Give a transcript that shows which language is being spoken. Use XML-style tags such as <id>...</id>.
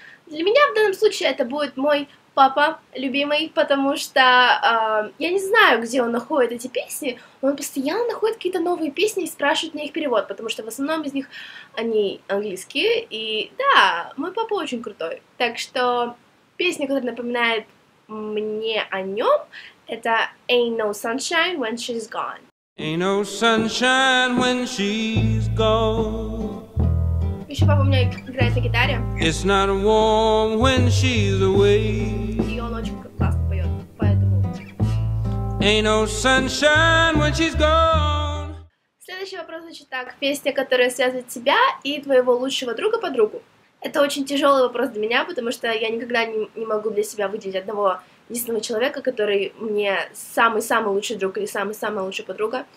<ru>Для меня в данном случае это будет мой папа любимый, потому что я не знаю, где он находит эти песни, но он постоянно находит какие-то новые песни и спрашивает на их перевод, потому что в основном из них они английские, и да, мой папа очень крутой. Так что песня, которая напоминает мне о нем, это Ain't No Sunshine When She's Gone.</ru> <en>Ain't no sunshine when she's gone.</en> <ru>Еще папа у меня играет на гитаре.</ru> <en>It's not warm when she's away.</en> <ru>И он очень классно поет, поэтому.</ru> <en>Ain't no sunshine when she's gone.</en> <ru>Следующий вопрос звучит так. Песня, которая связывает тебя и твоего лучшего друга по другу. Это очень тяжелый вопрос для меня, потому что я никогда не могу для себя выделить одного единственного человека, который мне самый-самый лучший друг или самая-самая лучшая подруга.</ru>